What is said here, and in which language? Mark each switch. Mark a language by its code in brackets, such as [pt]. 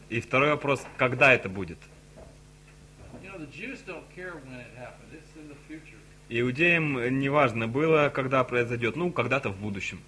[ru] И второй вопрос, когда это будет? [en] You know, the Jews don't care when it happened. It's in the future. [ru] Иудеям не важно было, когда произойдет, ну, когда-то в будущем.